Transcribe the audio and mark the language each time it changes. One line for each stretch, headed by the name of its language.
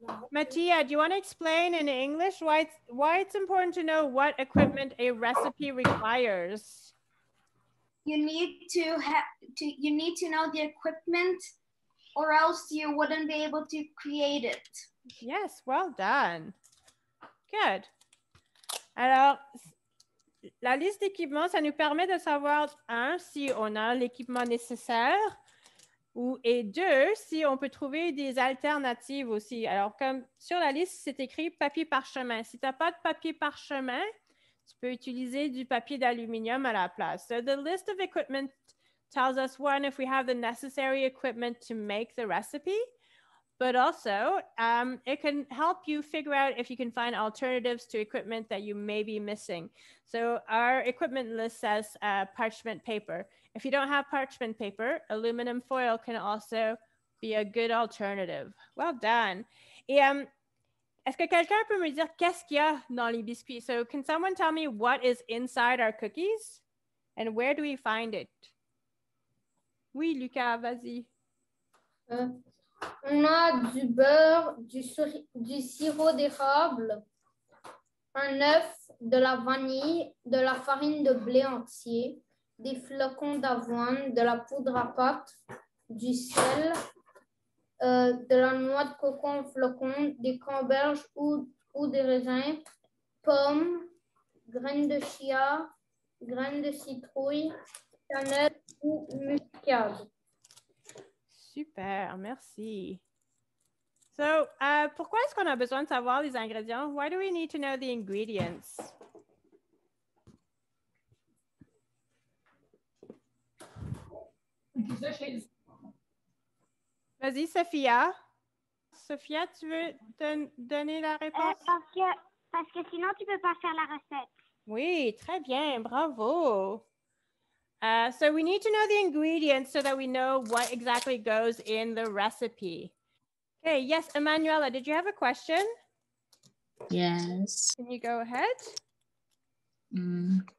English: Mattia, do you want to explain in English why it's important to know what equipment a recipe requires? You need to know the equipment, or else you wouldn't be able to create it. Yes, well done. Good.
French: Alors, la liste d'équipements, ça nous permet de savoir, un, si on a l'équipement nécessaire, et deux, si on peut trouver des alternatives aussi. Alors, comme sur la liste, c'est écrit papier parchemin. Si tu n'as pas de papier parchemin, tu peux utiliser du papier d'aluminium à la place.
English: So, the list of equipment tells us, one, if we have the necessary equipment to make the recipe, but also, it can help you figure out if you can find alternatives to equipment that you may be missing. So, our equipment list says parchment paper. If you don't have parchment paper, aluminum foil can also be a good alternative. Well done.
French: Et est-ce que quelqu'un peut me dire qu'est-ce qu'il y a dans les biscuits?
English: So, can someone tell me what is inside our cookies? And where do we find it?
French: Oui, Lucas, vas-y. On a du beurre, du sirop d'érable, un œuf, de la vanille, de la farine de blé entier, des flocons d'avoine, de la poudre à pâte, du sel, de la noix de coco en flocons, des camberges ou des raisins, pommes, graines de chia, graines de citrouille, cannelle ou muscade. Super, merci. So, pourquoi est-ce qu'on a besoin de savoir les ingrédients?
English: Why do we need to know the ingredients?
French: Vas-y, Sophia. Sophia, tu veux donner la réponse? Parce que sinon, tu ne peux pas faire la recette. Oui, très bien, bravo.
English: So we need to know the ingredients so that we know what exactly goes in the recipe. Okay, yes, Emanuela, did you have a question? Yes. Can you go ahead?